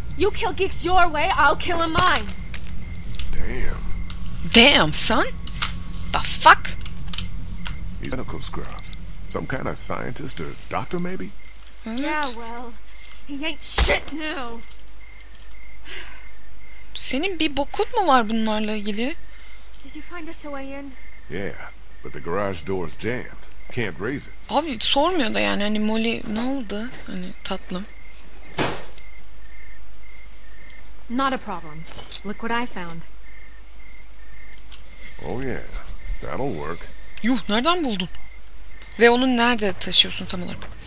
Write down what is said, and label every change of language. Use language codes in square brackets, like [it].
[en] You kill geeks your way, I'll kill him mine. Damn. Damn, son? The fuck? He's medical scrubs. Some kind of scientist or doctor, maybe? Hmm? Yeah, well, he ain't shit new. [tr] Senin bir bokun mu var bunlarla ilgili? [en] Did you find us a way in? Yeah, but the garage door's jammed. Can't raise it. [tr] Abi sormuyor da yani, hani Molly ne oldu? Hani tatlım. [en] Not a problem. Look what I found. Oh yeah, that'll work. [tr] Yuh, nereden buldun? Ve onu nerede taşıyorsun tam olarak?